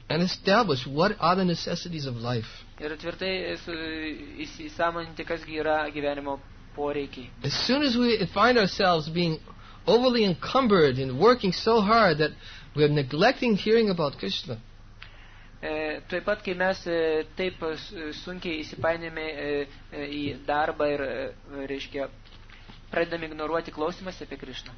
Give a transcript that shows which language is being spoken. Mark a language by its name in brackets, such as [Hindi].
[English] And establish what are the necessities of life. [Lithuanian] Ir tvirtai įsisąmoninti, kas gi yra gyvenimo poreikiai. [English] As soon as we find ourselves being overly encumbered and working so hard that we are neglecting hearing about Krishna. [Lithuanian] Taip pat, kai mes taip sunkiai įsipainėme į darbą ir reiškia pradedame ignoruoti klausimas apie Krishną.